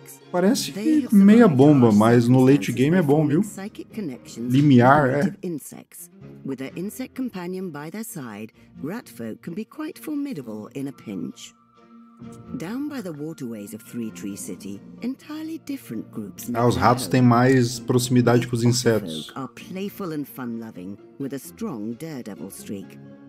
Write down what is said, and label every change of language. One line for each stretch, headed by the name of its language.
Portuguese: Parece meia bomba, mas no late game é bom, viu? Limiar, é.
English: With their insect companion by their side, ratfolk can be quite formidable in a pinch. Down by the waterways of Three Tree City, entirely different groups.
Portuguese: Ah, os ratos têm mais proximidade com os insetos.
English: Are playful and fun-loving, with a strong daredevil streak.